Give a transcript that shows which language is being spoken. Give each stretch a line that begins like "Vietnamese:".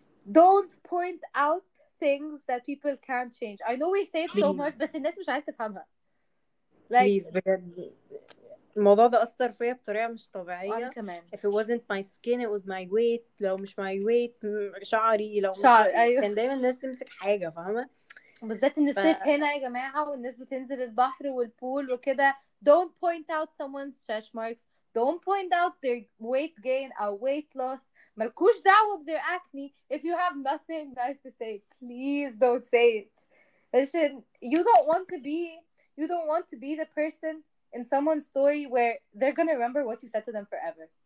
English: don't point out things that people can't change. I know we say it so much, but
Arabic: الناس مش عايز تفهمها.
English: Like, please,
Arabic: بجد الموضوع ده أثر فيا بطريقة مش طبيعية. أنا كمان.
English: If it wasn't my skin, it was my weight.
Arabic: لو مش
English: my weight,
Arabic: شعري. لو شعر. أيوه. كان دايما الناس تمسك حاجة فاهمة. بالذات إن الصيف هنا يا جماعة والناس بتنزل البحر والبول وكده.
English: Don't point out someone's stretch marks. Don't point out their weight gain or weight loss.
Arabic: ملكوش دعوة بدير acne.
English: If you have nothing nice to say, please don't say it. Listen, you don't want to be, you don't want to be the person in someone's story where they're gonna remember what you said to them forever.